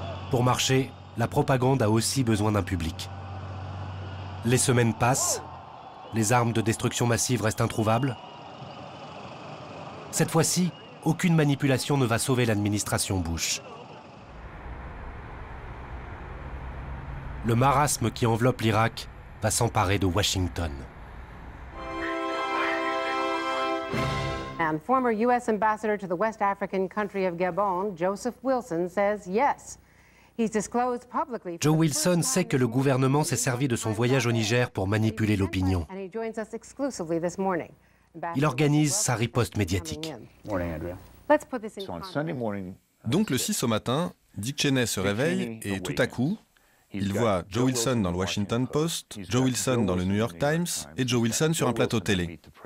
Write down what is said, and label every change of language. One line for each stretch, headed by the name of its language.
French: Pour marcher, la propagande a aussi besoin d'un public. Les semaines passent, les armes de destruction massive restent introuvables. Cette fois-ci, aucune manipulation ne va sauver l'administration Bush. Le marasme qui enveloppe l'Irak va s'emparer de Washington.
English: And former US ambassador to the West African country of Gabon, Joseph Wilson, says yes.
French: Joe Wilson sait que le gouvernement s'est servi de son voyage au Niger pour manipuler l'opinion. Il organise sa riposte médiatique. Donc le 6 au matin, Dick Cheney se réveille et tout à coup, il voit Joe Wilson dans le Washington Post, Joe Wilson dans le New York Times et Joe Wilson sur un plateau télé.